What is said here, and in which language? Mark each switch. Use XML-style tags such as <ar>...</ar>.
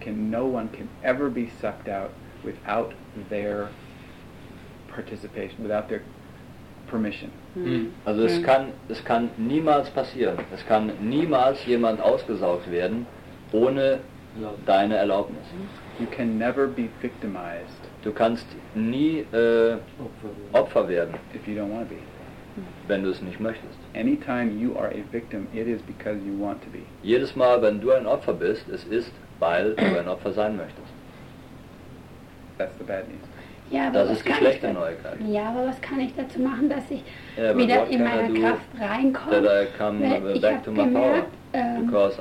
<en>No one can ever be sucked out without their participation, without their permission.</en> <de>Mm. Also es kann niemals passieren. Es kann niemals jemand ausgesaugt werden ohne deine Erlaubnis.</de> <en>You can never be victimized.</en> <de>Du kannst nie Opfer werden,</de> <en>if you don't want to be.</en> <de>Wenn du es nicht möchtest.</de> <en>Anytime you are a victim, it is because you want to be.</en> <de>Jedes Mal, wenn du ein Opfer bist, es ist, weil du ein Opfer sein möchtest.</de> <en>That's the bad news.</en> <de>Ja, aber das was ist die schlechte Neuigkeit. Ja, aber was kann ich dazu machen, dass ich wieder in meiner Kraft reinkomme?</de> <en>That I come back to my power, because</en>